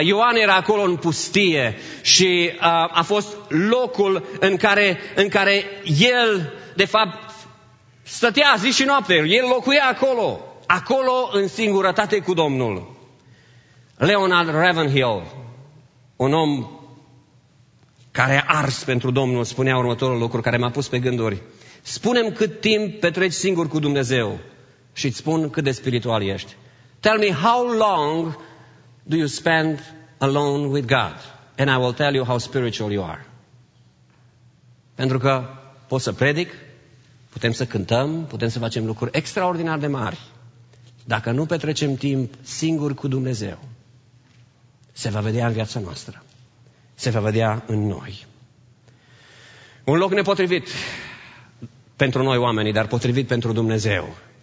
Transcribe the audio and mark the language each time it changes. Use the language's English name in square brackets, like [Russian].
[Romanian] Ioan era acolo în pustie și a fost locul în care el, de fapt, stătea zi și noapte, el locuia acolo, acolo în singurătate cu Domnul. Leonard Ravenhill, un om care a ars pentru Domnul, spunea următorul lucru care m-a pus pe gânduri. Spune-mi cât timp petreci singur cu Dumnezeu și îți spun cât de spiritual ești. [English] Tell me how long do you spend alone with God and I will tell you how spiritual you are. [Romanian] Pentru că pot să predic, putem să cântăm, putem să facem lucruri extraordinar de mari. Dacă nu petrecem timp singuri cu Dumnezeu, se va vedea în viața noastră. Se va vedea în noi. Un loc nepotrivit pentru noi oamenii, dar potrivit pentru Dumnezeu.